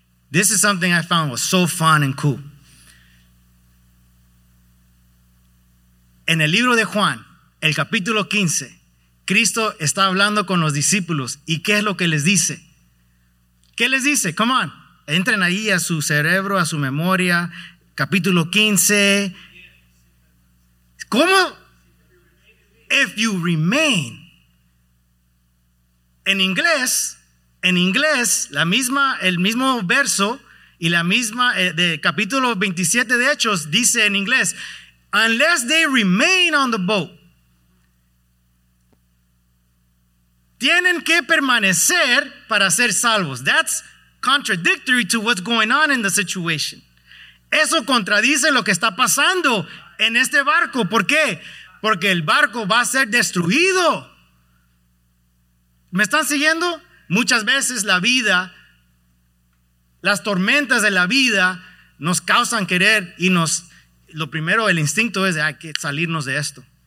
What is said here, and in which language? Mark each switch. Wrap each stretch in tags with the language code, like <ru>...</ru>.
<en>This is something I found was so fun and cool.</en> <es>En el libro de Juan, el capítulo 15, Cristo está hablando con los discípulos. ¿Y qué es lo que les dice? ¿Qué les dice?</es> <en>Come on.</en> <es>Entren ahí a su cerebro, a su memoria. Capítulo 15. ¿Cómo?</es> <en>If you remain.</en> <es>En inglés, el mismo verso y la misma de capítulo 27 de Hechos dice en inglés,</es> <en>unless they remain on the boat.</en> <es>Tienen que permanecer para ser salvos.</es> <en>That's contradictory to what's going on in the situation.</en> <es>Eso contradice lo que está pasando en este barco. ¿Por qué? Porque el barco va a ser destruido. ¿Me están siguiendo? Muchas veces la vida, las tormentas de la vida nos causan querer y nos, lo primero, el instinto es de hay que salirnos de esto.</es>